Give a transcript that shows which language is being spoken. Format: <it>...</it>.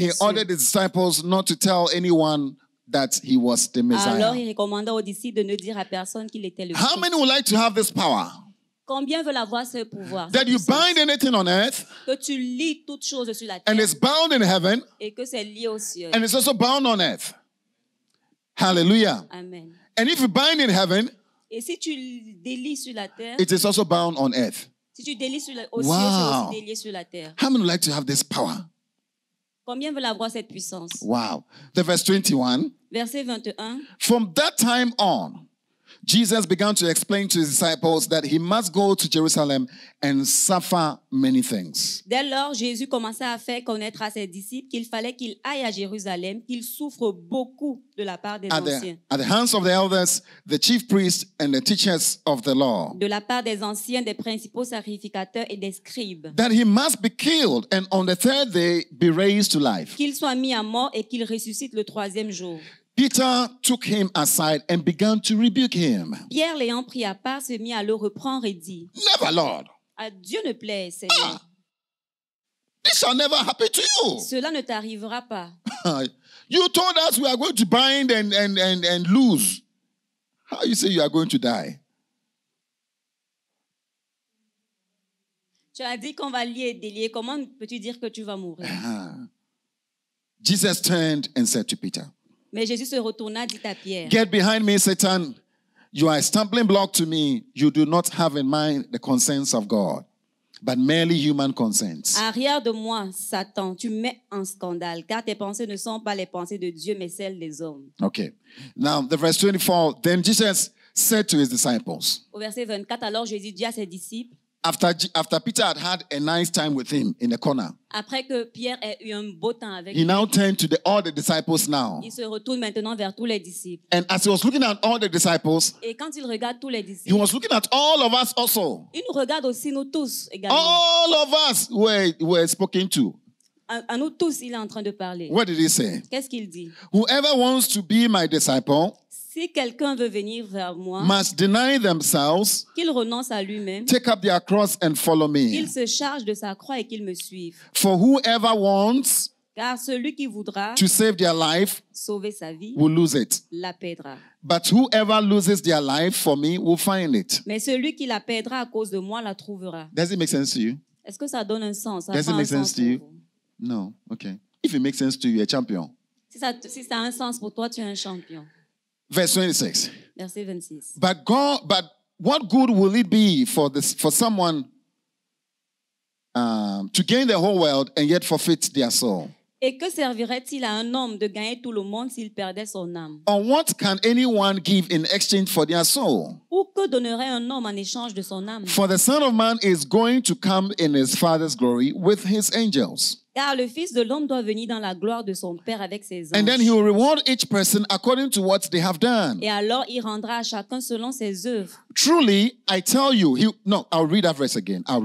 <fr>cieux.</fr> <en>Then he ordered his disciples not to tell anyone that he was the Messiah.</en> <fr>Alors il recommanda aux disciples de ne dire à personne qu'il était le Christ.</fr> <en>How many would like to have this power?</en> <fr>Combien veulent avoir ce pouvoir?</fr> <en>That you bind anything on earth?</en> <fr>Que tu lis toutes choses sur la terre.</fr> <en>And it's bound in heaven?</en> <fr>Et que c'est lié au ciel.</fr> <en>And it's also bound on earth. Hallelujah. Amen. And if you bind in heaven?</en> <fr>Et si tu délies sur la terre?</fr> <en>It is also bound on earth.</en> <fr>Si tu délies sur la terre, wow. C'est aussi délié sur la terre.</fr> <en>How many would like to have this power?</en> <fr>Combien veulent avoir cette puissance?</fr> <en>Wow. The verse 21.</en> <fr>Verset 21.</fr> <en>From that time on, Jesus began to explain to his disciples that he must go to Jerusalem and suffer many things.</en> <fr>Dès lors, Jésus commença à faire connaître à ses disciples qu'il fallait qu'il aille à Jérusalem, qu'il souffre beaucoup de la part des anciens.</fr> <en>At the hands of the elders, the chief priests and the teachers of the law.</en> <fr>De la part des anciens, des principaux sacrificateurs et des scribes.</fr> <en>That he must be killed and on the third day be raised to life.</en> <fr>Qu'il soit mis à mort et qu'il ressuscite le troisième jour.</fr> <en>Peter took him aside and began to rebuke him.</en> <fr>Pierre l'ayant pris à part, se mit à le reprendre et dit,</fr> <en>never, Lord.</en> <fr>À Dieu ne plaît, Seigneur.</fr> <en>Ah, this shall never happen to you.</en> <fr>Cela ne t'arrivera pas.</fr> <en>You told us we are going to bind and lose. How you say you are going to die?</en> <fr>Tu as dit qu'on va lier et délier. Comment peux-tu dire que tu vas mourir?</fr> <en>Jesus turned and said to Peter.</en> <fr>Mais Jésus se retourna, dit à Pierre.</fr> <en>Get behind me, Satan. You are a stumbling block to me. You do not have in mind the concerns of God, but merely human concerns.</en> <fr>Arrière de moi, Satan, tu mets en scandale, car tes pensées ne sont pas les pensées de Dieu, mais celles des hommes.</fr> <en>Okay. Now, the verse 24, then Jesus said to his disciples.</en> <fr>Au verset 24, alors Jésus dit à ses disciples.</fr> <en>After Peter had had a nice time with him in the corner.</en> <fr>Après que Pierre ait eu un beau temps avec</fr> <en>he now turned to all the disciples now.</en> <fr>Il se retourne maintenant vers tous les disciples.</fr> <en>And as he was looking at all the disciples.</en> <fr>Et quand il regarde tous les disciples.</fr> <en>He was looking at all of us also.</en> <fr>Il nous regarde aussi nous tous également.</fr> <en>All of us were spoken to.</en> <fr>À nous tous, il est en train de parler.</fr> <en>What did he say?</en> <fr>Qu'est-ce qu'il dit?</fr> <en>Whoever wants to be my disciple.</en> <fr>Si quelqu'un veut venir vers moi,</fr> <en>must deny themselves,</en> <fr>qu'il renonce à lui-même,</fr> <en>take up their cross and follow me.</en> <fr>Qu'il se charge de sa croix et qu'il me suive.</fr> <en>For whoever wants,</en> <fr>car celui qui voudra,</fr> <en>to save their life,</en> <fr>sauver sa vie,</fr> <en>will lose it,</en> <fr>la perdra.</fr> <en>But whoever loses their life for me will find it.</en> <fr>Mais celui qui la perdra à cause de moi la trouvera.</fr> <en>Does it make sense to you?</en> <fr>Est-ce que ça donne un sens?</fr> <en>Does it make sense to you? No. Okay. If it makes sense to you, you're a champion.</en> <fr>Si ça a un sens pour toi, tu es un champion.</fr> <en>Verse 26. But what good will it be for this for someone to gain the whole world and yet forfeit their soul?</en> <fr>Et que servirait-il à un homme de gagner tout le monde s'il perdait son âme?</fr> <en>Or what can anyone give in exchange for their soul?</en> <fr>Ou que donnerait un homme en échange de son âme?</fr> <en>For the Son of Man is going to come in his Father's glory with his angels.</en> <fr>Car le Fils de l'homme doit venir dans la gloire de son Père avec ses anges.</fr> <en>And then he will reward each person according to what they have done.</en> <fr>Et alors il rendra à chacun selon ses œuvres.</fr> <en>Truly, I tell you, I'll read that verse again.</en>